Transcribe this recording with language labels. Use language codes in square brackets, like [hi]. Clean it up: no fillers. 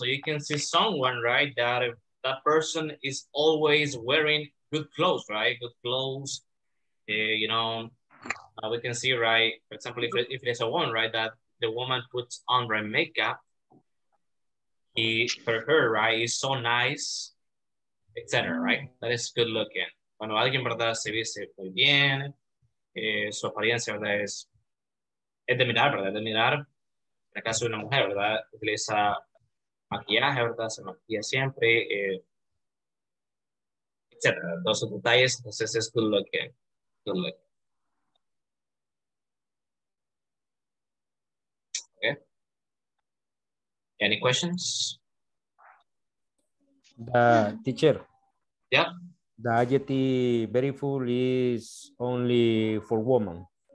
[en] So you can see someone, right, that that person is always wearing good clothes, right? Good clothes, you know, we can see, right, for example, if there's a woman, right, that the woman puts on red makeup, for her, right, is so nice, etc. Right? That is good looking. [es] Cuando alguien, verdad, se viste muy bien, su apariencia, verdad, es de mirar, verdad, de mirar. En el caso de una mujer, verdad, utiliza maquillaje, verdad, se maquilla siempre, etc. [en] Those are [es] detalles, entonces es [en] good looking, good looking. Any questions? The teacher. Yeah. The adjective beautiful is only for woman.